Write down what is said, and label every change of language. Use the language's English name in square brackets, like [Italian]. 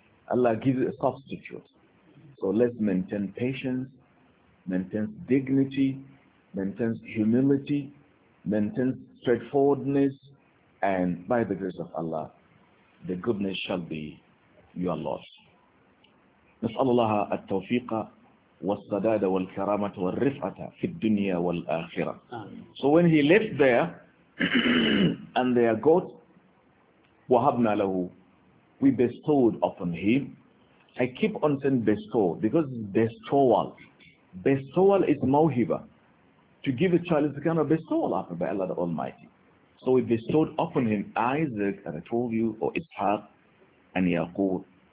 [English] Allah gives a substitute. So let's maintain patience, maintain dignity, maintain humility, maintain straightforwardness, and by the grace of Allah, the goodness shall be your loss. [Arabic] نسأل الله التوفيق والسداد والكرامة والرفعة في الدنيا والآخرة. [English] So when he left there, and their God, [Arabic] وَهَبْنَا لَهُ [English] We bestowed upon him. I keep on saying bestow, because bestowal. Bestowal is mawhiba. To give a child is a kind of bestowal offered by Allah the Almighty. So we bestowed upon him Isaac, as I told you, or Ishaq, and Yaqub.